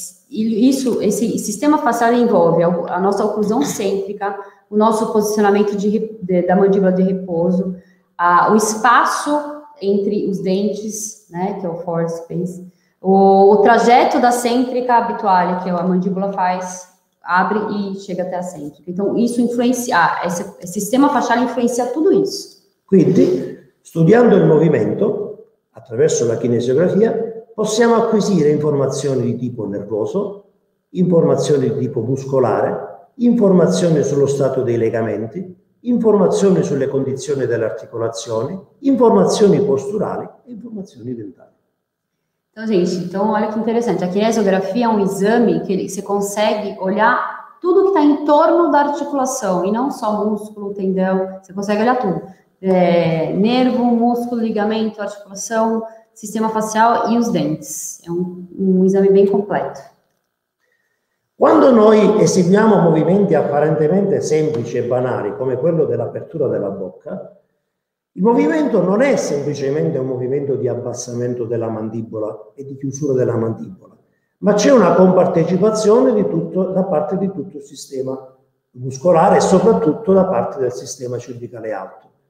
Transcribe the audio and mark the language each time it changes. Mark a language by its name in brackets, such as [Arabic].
[Portuguese] Isso, esse sistema facial envolve a nossa oclusão cêntrica, o nosso posicionamento da mandíbula de repouso, o espaço entre os dentes, né, que é o forward space, o trajeto da cêntrica habituária, que é a mandíbula faz, abre e chega até a cêntrica. Então, isso influencia, esse sistema facial influencia tudo isso. [Italian] Quindi, studiando il movimento, attraverso la kinesiografia, possiamo acquisire informazioni di tipo nervoso, informazioni di tipo muscolare, informazioni sullo stato dei legamenti, informazioni sulle condizioni delle articolazioni, informazioni posturali e informazioni dentali. [Portuguese] Então, gente, então olha que interessante, a kinesiografia é um exame que você consegue olhar tudo que está em torno da articulação, e não só músculo, tendão, você consegue olhar tudo. Nervo, músculo, ligamento, articulação, sistema facial e os dentes. É um exame bem completo. [Italian] Quando noi eseguiamo movimenti apparentemente semplici e banali, come quello dell'apertura della bocca, il movimento non è semplicemente un movimento di abbassamento della mandibola e di chiusura della mandibola, ma c'è una compartecipazione da parte di tutto il sistema muscolare e soprattutto da parte del sistema cervicale alto.